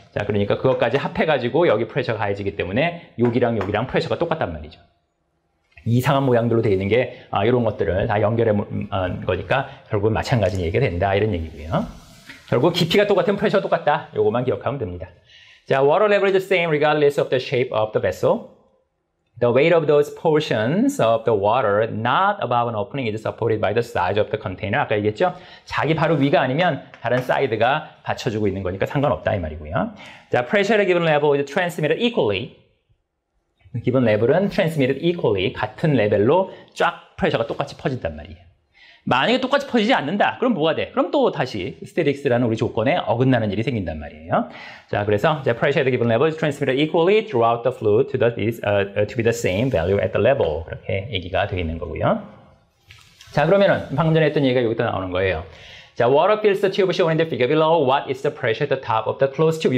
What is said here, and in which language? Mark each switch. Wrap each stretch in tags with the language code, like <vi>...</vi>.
<ko>자, 그러니까 그것까지 합해가지고 여기 프레셔가 가해지기 때문에 여기랑 여기랑 프레셔가 똑같단 말이죠. 이상한 모양들로 되어 있는 게 이런 것들을 다 연결한 거니까 결국은 마찬가지 얘기가 된다 이런 얘기고요. 결국 깊이가 똑같으면 프레셔가 똑같다. 요것만 기억하면 됩니다.</ko> <en>자, water level is the same regardless of the shape of the vessel. The weight of those portions of the water not above an opening is supported by the size of the container.</en> <ko>아까 얘기했죠? 자기 바로 위가 아니면 다른 사이드가 받쳐주고 있는 거니까 상관없다 이 말이고요.</ko> <en>자, pressure at a given level is transmitted equally. Given level은 transmitted equally.</en> <ko>같은 레벨로 쫙 pressure가 똑같이 퍼진단 말이에요. 만약에 똑같이 퍼지지 않는다. 그럼 뭐가 돼? 그럼 또 다시 스테릭스라는 우리 조건에 어긋나는 일이 생긴단 말이에요. 자, 그래서</ko> <en>the pressure at the given level is transmitted equally throughout the fluid to be the same value at the level.</en> <ko>그렇게 얘기가 되어 있는 거고요. 자, 그러면은 방금 전에 했던 얘기가 여기다 나오는 거예요.</ko> <en>자, water fills the tube shown in the figure below. What is the pressure at the top of the closed tube?</en>